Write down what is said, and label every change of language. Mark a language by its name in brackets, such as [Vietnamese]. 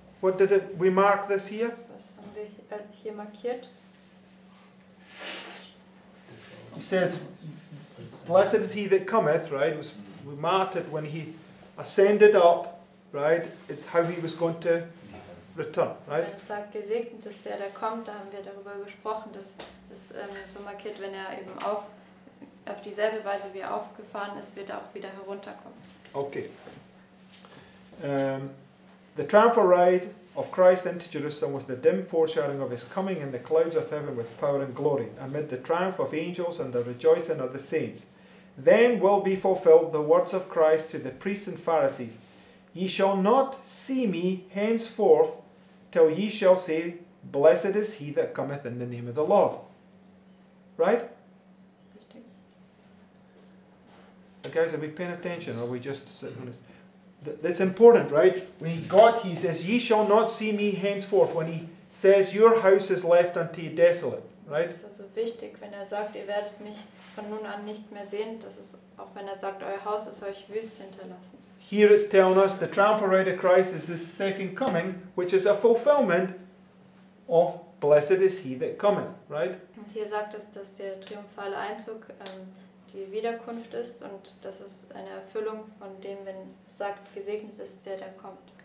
[English] What did we mark this here? [German] Was haben wir hier markiert? [English] He says, blessed is he that cometh, right? It was martyred when he ascended up, right? It's how he was going to return, right? [German] Wenn es sagt, gesegnet ist der, der kommt, da haben wir darüber gesprochen, dass es so markiert, wenn er eben auf auf dieselbe Weise wie er aufgefahren ist, wird er auch wieder herunterkommen. Okay. [English] The triumphal ride of Christ into Jerusalem was the dim foreshadowing of his coming in the clouds of heaven with power and glory, amid the triumph of angels and the rejoicing of the saints. Then will be fulfilled the words of Christ to the priests and Pharisees, "Ye shall not see me henceforth till ye shall say, Blessed is he that cometh in the name of the Lord." Right? Okay, guys, are we paying attention or are we just sitting on this? That's important, right? When he says, "Ye shall not see me henceforth," when he says, "Your house is left unto you desolate." Right? [German] Das ist also wichtig, wenn er sagt, ihr werdet mich von nun an nicht mehr sehen. Das ist auch, wenn er sagt, euer Haus ist euch wüst hinterlassen. [English] Here it's telling us the triumphal ride of Christ is his second coming, which is a fulfillment of "Blessed is he that cometh." Right? [German] Und hier sagt es, dass der triumphale Einzug die Wiederkunft ist und das ist eine Erfüllung von dem, wenn es sagt, gesegnet ist der, der kommt.